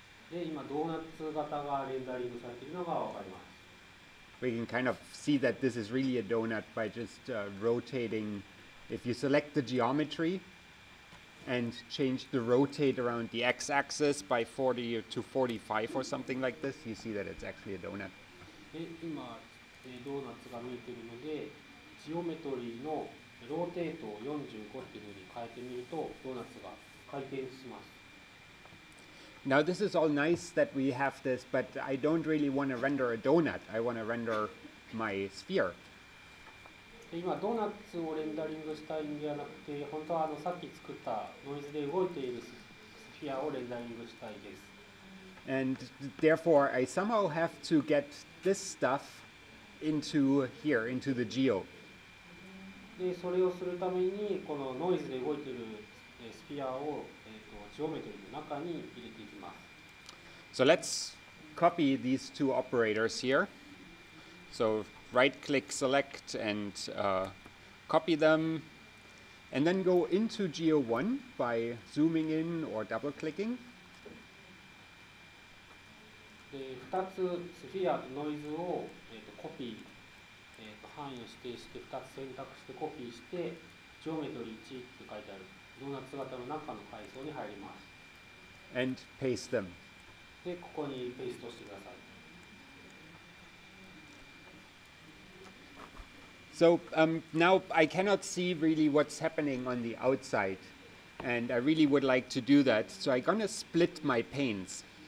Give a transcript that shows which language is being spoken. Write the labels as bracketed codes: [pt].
[ja] で、今ドーナツ型がレンダリングされているのがわかります。 [en] We can kind of see that this is really a donut by just、rotating. If you select the geometry and change the rotate around the x-axis by 40 to 45 or something like this, you see that it's actually a donut. [ja] で、今、donuts が見えているので、ジオメトリーのローテートを45っていうふうに変えてみると、donutsが回転します。 [en] Now, this is all nice that we have this, but I don't really want to render a donut. I want to render my sphere. [ja] 今ドーナツをレンダリングしたいんではなくて、本当はさっき作ったノイズで動いているスフィアをレンダリングしたいです。 [en] And therefore, I somehow have to get this stuff into here, into the geo. [ja] で、それをするために、このノイズで動いているスフィアを、ジオメトリの中に入れていきます。 [en] So let's copy these two operators here. So,Right-click, select, and、copy them. And then go into Geo 1 by zooming in or double-clicking. [ja] で、2つスフィアとノイズを、コピー、範囲を指定して2つ選択してコピーして、ジオメトリー1って書いてあるドーナツ型の中の階層に入ります。 [en] And paste them. [ja] で、ここにペーストしてください。 [en] So、now I cannot see really what's happening on the outside, and I really would like to do that. So I'm going to split my panes.